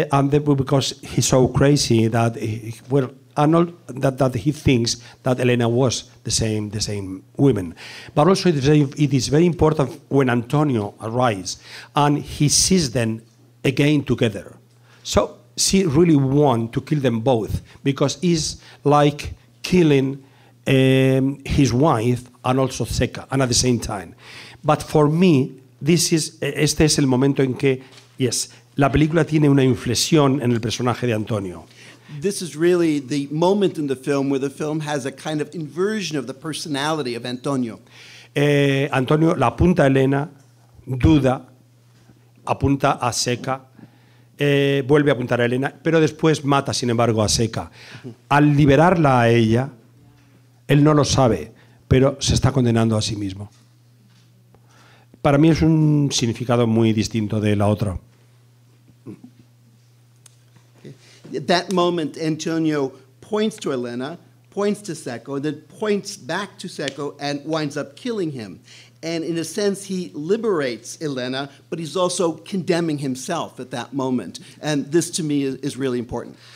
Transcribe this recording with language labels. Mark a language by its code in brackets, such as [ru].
[en] because he's so crazy that he thinks that Elena was the same woman, but also it is very important when Antonio arrives and he sees them again together. So she really wants to kill them both, because it's like killing his wife and also Seca and at the same time. But for me, [es] este es el momento en que yes. La película tiene una inflexión en el personaje de Antonio. [en] This is really the moment in the film where the film has a kind of inversion of the personality of Antonio. [es] Antonio la apunta a Elena, duda, apunta a Seca, vuelve a apuntar a Elena, pero después mata, sin embargo, a Seca. Al liberarla a ella, él no lo sabe, pero se está condenando a sí mismo. Para mí es un significado muy distinto de la otra. [en] At that moment, Antonio points to Elena, points to Seco, and then points back to Seco and winds up killing him. And in a sense, he liberates Elena, but he's also condemning himself at that moment. And this, to me, is really important.